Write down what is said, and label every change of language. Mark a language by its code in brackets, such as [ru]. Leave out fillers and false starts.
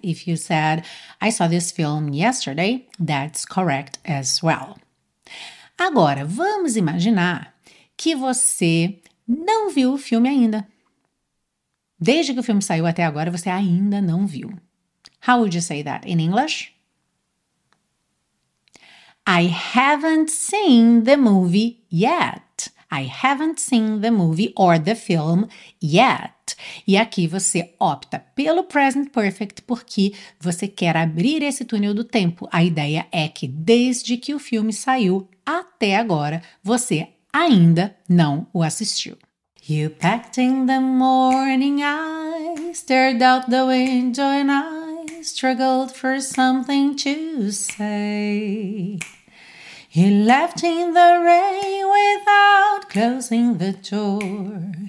[en] If you said, I saw this film yesterday, that's correct as well. [pt] Agora, vamos imaginar que você não viu o filme ainda. Desde que o filme saiu até agora, você ainda não viu. [en] How would you say that in English? I haven't seen the movie yet. I haven't seen the movie or the film yet. [pt] E aqui você opta pelo present perfect porque você quer abrir esse túnel do tempo. A ideia é que desde que o filme saiu até agora, você ainda não o assistiu. [en] You packed in the morning, I stared out the window and I struggled for something to say. He left in the rain without closing the door.